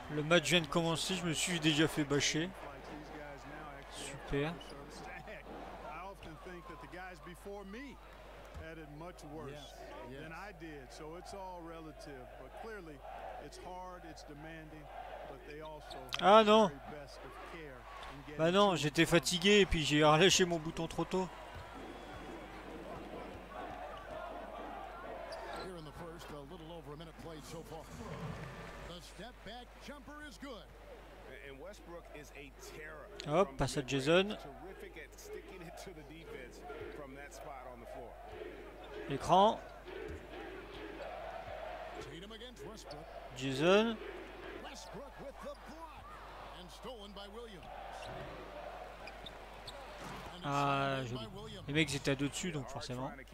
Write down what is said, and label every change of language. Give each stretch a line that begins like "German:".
French: Le match vient de commencer. Je me suis déjà fait bâcher. Super.
English: I often think that the guys before me had it much worse. Yes. Than I did, so it's all relative, but clearly it's hard, it's demanding, but they also have the very best of care.
French: Bah non, j'étais fatigué et puis j'ai relâché mon bouton trop tôt.
English: Here in the first, a little over a minute played so far. The step back jumper is good. And Westbrook is a terror.
French: Hop, passe à Jason.
English: Terrific at sticking it to the defense from that spot on the floor.
French: Écran.
English: Tatum against Westbrook. Jason. Westbrook with the block and stolen by Williams.
French: Ah, les mecs étaient à deux dessus, donc forcément.